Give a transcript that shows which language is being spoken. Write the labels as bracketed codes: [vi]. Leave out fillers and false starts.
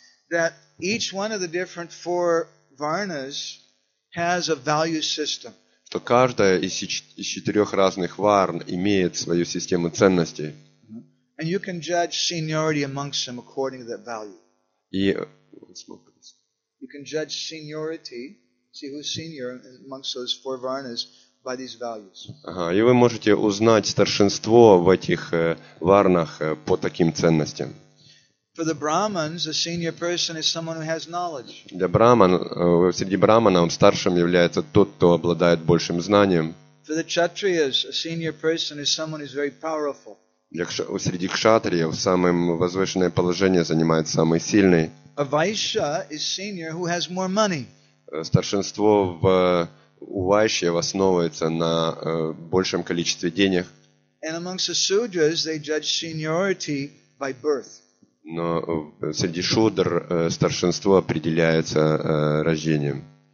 [en] That each one of the different four varnas has a value system. [ru] То каждая из четырех разных варн имеет свою систему ценностей. [en] And you can judge seniority amongst them according to that value. [ru] И [en] you can judge seniority. See who's senior amongst those four varnas by these values. [ru] Ага, и вы можете узнать старшинство в этих варнах по таким ценностям. [en] For the Brahmins, a senior person is someone who has knowledge. [ru] Для брахман, среди брахманов старшим является тот, кто обладает большим знанием. [en] For the Kshatriyas, a senior person is someone who is very powerful. [ru] Среди кшатриев самым возвышенное положение занимает самый сильный. [en] A Vaishya is senior who has more money. [ru] Старшинство в Вайше основывается на большем количестве денег. [en] And amongst the Sudras, they judge seniority by birth. [ru] Но среди шудр старшинство определяется рождением.